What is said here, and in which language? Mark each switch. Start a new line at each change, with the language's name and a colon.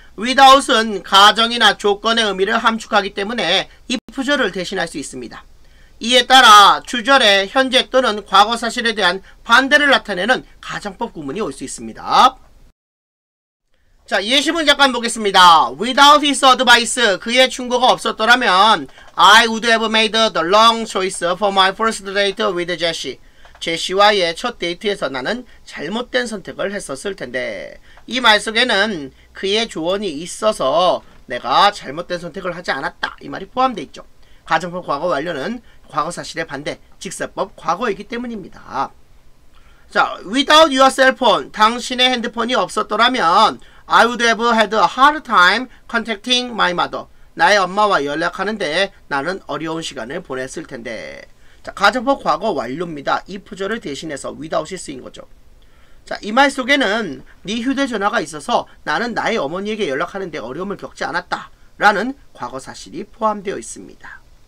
Korean: without은 가정이나 조건의 의미를 함축하기 때문에 if절을 대신할 수 있습니다. 이에 따라 주절에 현재 또는 과거 사실에 대한 반대를 나타내는 가정법 구문이 올 수 있습니다. 자, 예시문 잠깐 보겠습니다.
English: Without his advice,
Korean: 그의 충고가 없었더라면
English: I would have made the long choice for my first date with Jesse.
Korean: 제시와의 첫 데이트에서 나는 잘못된 선택을 했었을 텐데 이 말 속에는 그의 조언이 있어서 내가 잘못된 선택을 하지 않았다 이 말이 포함되어 있죠. 가정법 과거 완료는 과거 사실의 반대 직설법 과거이기 때문입니다.
English: 자, without your cell phone
Korean: 당신의 핸드폰이 없었더라면
English: I would have had a hard time contacting my mother.
Korean: 나의 엄마와 연락하는데 나는 어려운 시간을 보냈을 텐데 자, 가정법 과거 완료입니다. 이 표절을 대신해서 without이 쓰인 거죠. 자, 이 말 속에는 네 휴대전화가 있어서 나는 나의 어머니에게 연락하는데 어려움을 겪지 않았다 라는 과거 사실이 포함되어 있습니다.